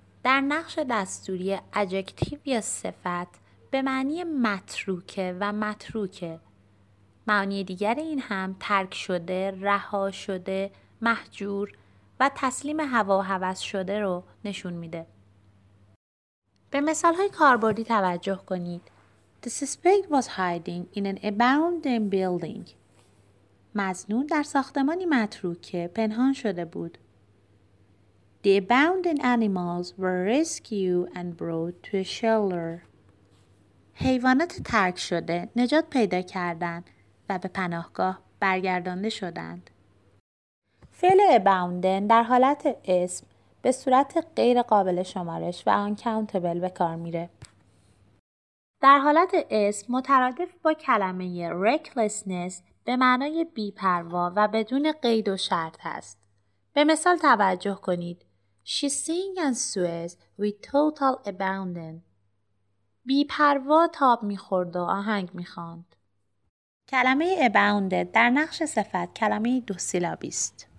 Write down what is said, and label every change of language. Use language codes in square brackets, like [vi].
[fa] در نقش دستوری ادجکتیو یا صفت به معنی متروکه و متروکه. معنی دیگر این هم ترک شده، رها شده، مهجور و تسلیم هوا و هوس شده رو نشون میده. به مثال های کاربردی توجه کنید. [en] The suspect was hiding in an abandoned building. [fa] مظنون در ساختمانی متروکه پنهان شده بود. [en] The abandoned animals were rescued and brought to a shelter. [fa] حیوانات ترک شده نجات پیدا کردند و به پناهگاه برگردانده شدند. فعل abandon در حالت اسم به صورت غیر قابل شمارش و uncountable به کار میره. در حالت اسم مترادف با کلمه recklessness به معنای بی‌پروا و بدون قید و شرط است. به مثال توجه کنید. [en] She sang in Swiss with total abandon. [fa] بی‌پروا تاب می‌خورد و آهنگ می‌خواند. کلمه abandon در نقش صفت کلمه دو سیلابی است.